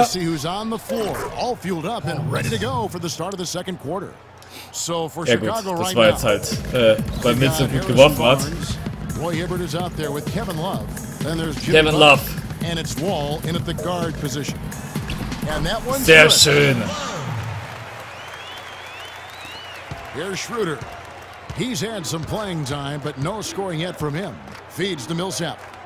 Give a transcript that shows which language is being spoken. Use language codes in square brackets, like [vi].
[en] All fueled up and ready to go for the start of the second quarter. [de] Ja gut, das war jetzt halt, weil Mills so gut geworfen hat. [en] Roy Hibbert is out there with Kevin Love. Then there's Kevin Love. And it's Wall in at the guard position. And that one's sehr good. Schön. Here's Schroeder. He's had some playing time, but no scoring yet from him. Feeds to Millsap.